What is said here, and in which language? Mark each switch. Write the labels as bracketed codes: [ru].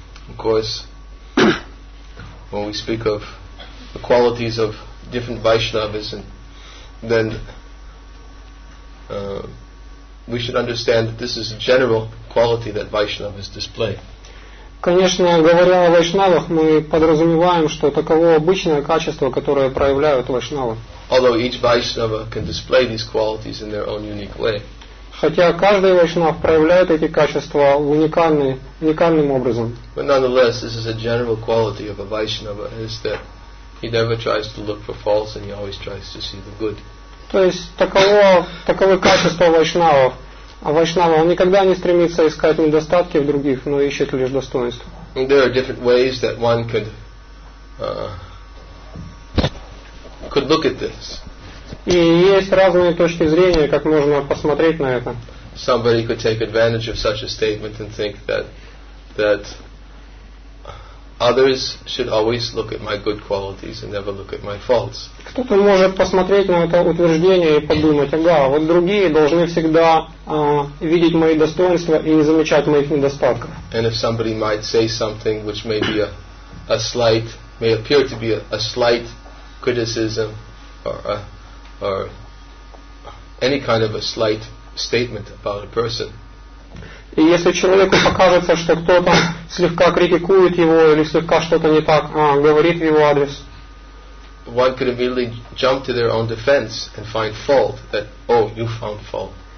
[en] Of course, when we speak of the qualities of different Vaishnavas, then we should understand that this is a general quality that Vaishnavas display. [ru] Конечно, говоря о вайшнавах, мы подразумеваем, что таково обычное качество, которое проявляют вайшнавы. [en] Although each Vaishnava can display these qualities in their own unique way. [ru] Хотя каждый вайшнав проявляет эти качества уникальным образом. [en] But nonetheless, this is a general quality of a Vaishnava, is that he never tries to look for faults and he always tries to see the good. [ru] То есть таково качество вайшнавов. А вайшнава, он никогда не стремится искать недостатки в других, но ищет лишь достоинства. [en] There are different ways that one could look at this. [ru] И есть разные точки зрения, как можно посмотреть на это. [en] somebody could take advantage of such a statement and think that others should always look at my good qualities and never look at my faults. [ru] Кто-то может посмотреть на это утверждение и подумать: ага, вот другие должны всегда видеть мои достоинства и не замечать моих недостатков. [en] And if somebody might say something which may be a slight, may appear to be a slight criticism or any kind of a slight statement about a person. [ru] И если человеку покажется, что кто-то слегка критикует его или слегка что-то не так говорит в его адрес, [en] one could immediately jump to their own defense and find fault that, oh, you found fault.